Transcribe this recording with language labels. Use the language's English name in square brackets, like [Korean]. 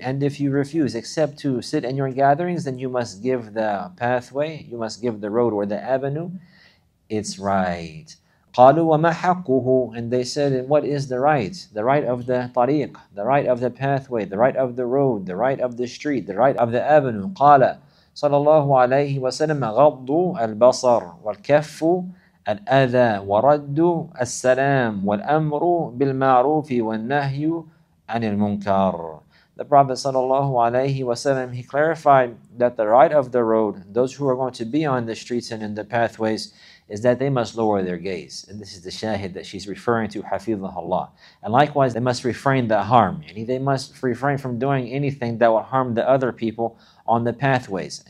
[English] And if you refuse except to sit in your gatherings, then you must give the pathway, you must give the road or the avenue its right. [Arabic] قَالُوا وَمَا حَقُّهُ, [English] and they said, what is the right of the tariq, the right of the pathway, the right of the road, the right of the street, the right of the avenue. [Arabic] قَالَ, صلى الله عليه وسلم غض البصر والكف الأذى ورد السلام والأمر بالمعروف والنهي عن المنكر. [English] The Prophet sallallahu alayhi wasallam, he clarified that the right of the road, those who are going to be on the streets and in the pathways, is that they must lower their gaze. And this is the shahid that she's referring to, hafidhah Allah. And likewise, they must refrain the harm. They must refrain from doing anything that will harm the other people on the pathways.